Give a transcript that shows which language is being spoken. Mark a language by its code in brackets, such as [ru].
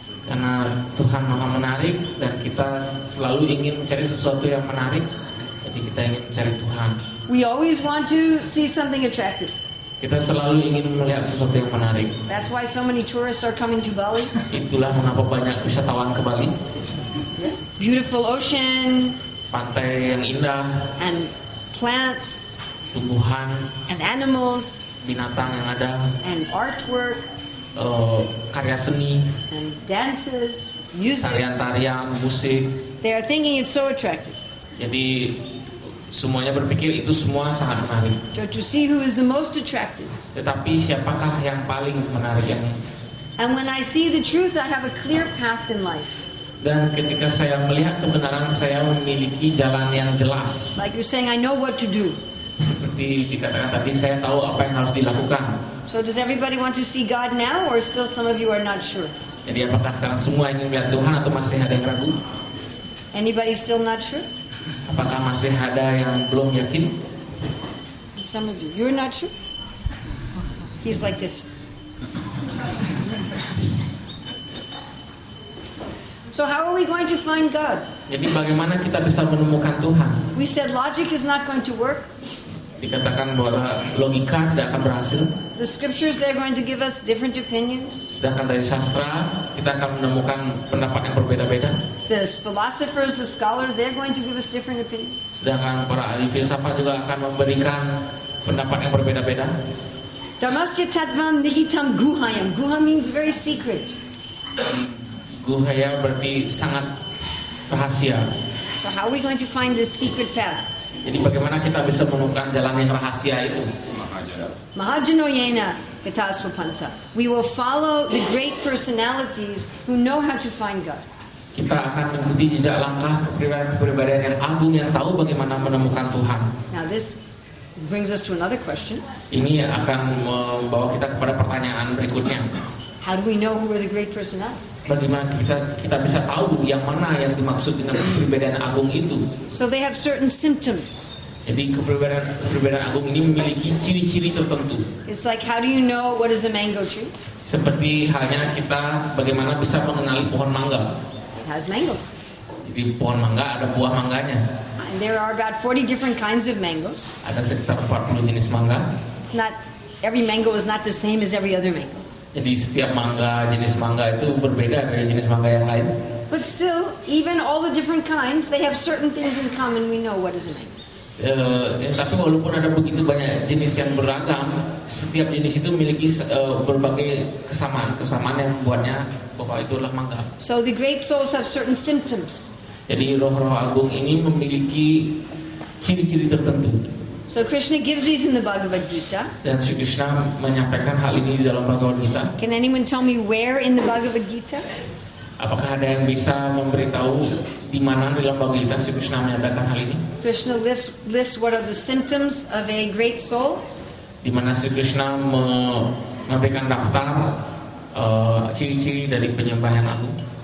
[id] Karena Tuhan Maha menarik dan kita selalu ingin mencari sesuatu yang menarik, jadi kita ingin mencari Tuhan. [en] We always want to see something attractive. [id] Kita selalu ingin melihat sesuatu yang menarik. [en] That's why so many tourists are coming to Bali. [id] Itulah mengapa banyak wisatawan ke Bali. [en] Yes. Beautiful ocean. [id] Pantai yang indah. [en] And plants. [id] Tumbuhan. [en] And animals. [id] Binatang yang ada. [en] And artwork. [id] Karya seni, [en] and dances, music, [id] tarian-tarian, musik. [en] They are thinking it's so attractive. [id] Jadi semuanya berpikir itu semua sangat menarik. [en] So to see who is the most attractive. [id] Tetapi siapakah yang paling menarik yang? [en] And when I see the truth, I have a clear path in life. [id] Dan ketika saya melihat kebenaran, saya memiliki jalan yang jelas. [en] Like you're saying, I know what to do. [id] Seperti dikatakan tadi, saya tahu apa yang harus dilakukan. [en] So does everybody want to see God now, or still some of you are not sure? [id] Jadi apakah sekarang semua ingin melihat Tuhan atau masih ada yang ragu? [en] Anybody still not sure? [id] Apakah masih ada yang belum yakin? [en] Some of you, you're not sure? He's like this. So how are we going to find God? [id] Jadi bagaimana kita bisa menemukan Tuhan? [en] We said logic is not going to work. [id] Dikatakan bahwa logika tidak akan berhasil. [en] The scriptures, they're going to give us different opinions. [id] Sedangkan dari sastra, kita akan menemukan pendapat yang berbeda-beda. [en] The philosophers, the scholars, they're going to give us different opinions. [id] Sedangkan para ahli filsafat juga akan memberikan pendapat yang berbeda-beda. [sa] Dharmasya tattvam nihitam guhayam. [en] Guha means very secret. [id] Guhaya berarti sangat rahasia. [en] So how are we going to find this secret path? [id] Jadi bagaimana kita bisa menemukan jalan yang rahasia itu? [sa] Mahajano yena kataswapanta. [en] We will follow the great personalities who know how to find God. [id] Kita akan mengikuti jejak langkah kepribadian-kepribadian yang agung yang tahu bagaimana menemukan Tuhan. [en] Now this brings us to another question. [id] Ini akan membawa kita kepada pertanyaan berikutnya. [en] How do we know who are the great personalities? [id] Bagaimana kita bisa tahu yang mana yang dimaksud dengan kepribadian agung itu? [en] So they have certain symptoms. [id] Jadi kepribadian agung ini memiliki ciri-ciri tertentu. [en] It's like, how do you know what is a mango tree? [id] Seperti halnya kita bagaimana bisa mengenali pohon mangga? [en] It has mangoes. [id] Jadi pohon mangga ada buah mangganya. [en] And there are about 40 different kinds of mangoes. [id] Ada sekitar 40 jenis mangga. [en] It's not every mango is not the same as every other mango. [id] Jadi setiap mangga jenis mangga itu berbeda dari jenis mangga yang lain. [en] But still, even all the different kinds, they have certain things in common. We know what is a mango. [id] Tapi walaupun ada begitu banyak jenis yang beragam, setiap jenis itu memiliki berbagai kesamaan yang membuatnya bahwa itulah mangga. [en] So the great souls have certain symptoms. [id] Jadi roh-roh agung ini memiliki ciri-ciri tertentu. [en] So Krishna gives these in the Bhagavad Gita. [id] Dan Sri Krishna menyampaikan hal ini dalam Bhagavad Gita. [en] Can anyone tell me where in the Bhagavad Gita? [id] Apakah ada yang bisa memberitahu di mana dalam Bhagavad Gita Sri Krishna menyampaikan hal ini? [en] Krishna lists what are the symptoms of a great soul. [id] Di mana Sri Krishna memberikan daftar ciri-ciri dari penyembah yang agung.